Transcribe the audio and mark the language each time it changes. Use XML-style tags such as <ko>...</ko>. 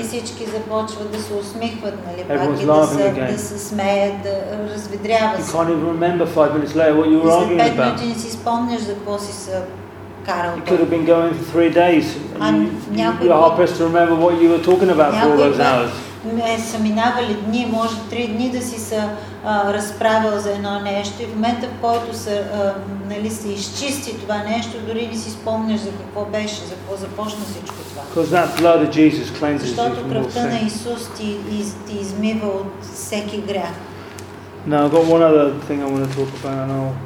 <bg>И всички започват да се усмихват, нали, пак и да се смеят, да разведряват.</bg> <en>You can't even remember 5 minutes later what you were arguing about.</en> <bg>И след 5 минути не си спомняш за какво си се карал.</bg> <en>You could have been going for 3 days. You're hard pressed to remember what you were talking about for all those hours.</en> <bg>Са минавали дни, може 3 дни да си се разправил за едно нещо и в момента, в който се, нали, се изчисти това нещо, дори не си спомняш за какво беше, за какво започна всичко това.</bg> <en>Because that blood of Jesus cleanses you from all sin.</en> <bg>Защото кръвта на Исус ти измива от всеки грях.</bg> <en>Now I've got one other thing I want to talk about.</en>